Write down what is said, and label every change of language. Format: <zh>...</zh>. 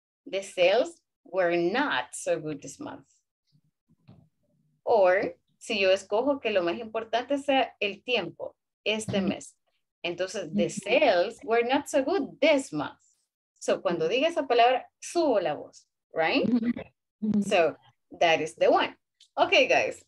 <en>The sales were not so good this month.</en> <es>Or, si yo escojo que lo más importante sea el tiempo, este mes.</es> <en>Entonces, the sales were not so good this month. So, cuando diga esa palabra, subo la voz, right? So, that is the one. Okay, guys.</en>